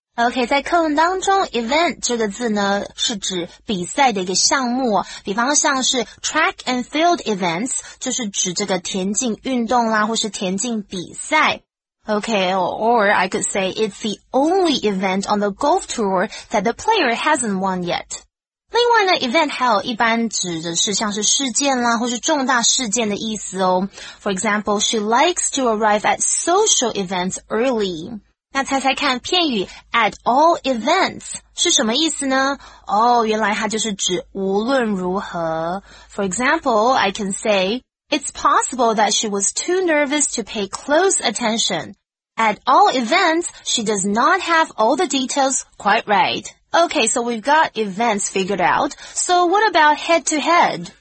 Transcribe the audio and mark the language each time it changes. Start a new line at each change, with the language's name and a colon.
Chinese: Okay, 在课文当中 ,event 这个字呢是指比赛的一个项目。比方像是
English: track and field events,
Chinese: 就是指这个田径运动啦或是田径比赛。
English: Okay, or I could say it's the only event on the golf tour that the player hasn't won yet.
Chinese: 另外呢 ,event 还有一般指的是像是事件啦或是重大事件的意思哦。
English: For example, she likes to arrive at social events early.
Chinese: 那猜猜看片语
English: at all events
Chinese: 是什么意思呢？哦，原来它就是指无论如何。
English: For example, I can say,It's possible that she was too nervous to pay close attention. At all events, she does not have all the details quite right. Okay, so we've got events figured out. So what about head-to-head?